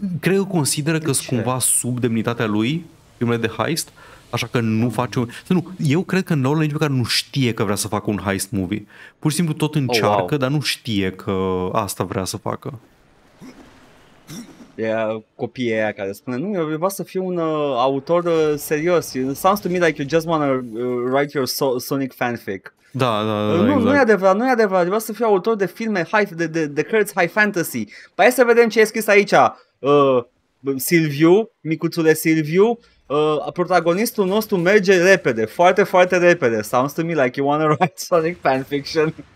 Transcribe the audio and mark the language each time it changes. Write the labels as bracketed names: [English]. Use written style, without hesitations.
[Romanian] Cred că consideră că sunt cumva sub demnitatea lui, filmele de heist, așa că nu face un... Nu, eu cred că Nolan nici măcar nu știe că vrea să facă un heist movie. Pur și simplu tot încearcă, dar nu știe că asta vrea să facă. Copiii aia care spune, nu, eu vreau să fiu un autor serios. [English] It sounds to me like you just wanna write your Sonic fanfic. [Romanian] Da, exact. Nu e adevărat, vreau să fiu autor de filme de cărți high fantasy. Păi hai să vedem ce e scris aici. Silviu, micuțule Silviu, protagonistul nostru merge repede, foarte, foarte repede. [English] Sounds to me like you wanna write Sonic fanfiction.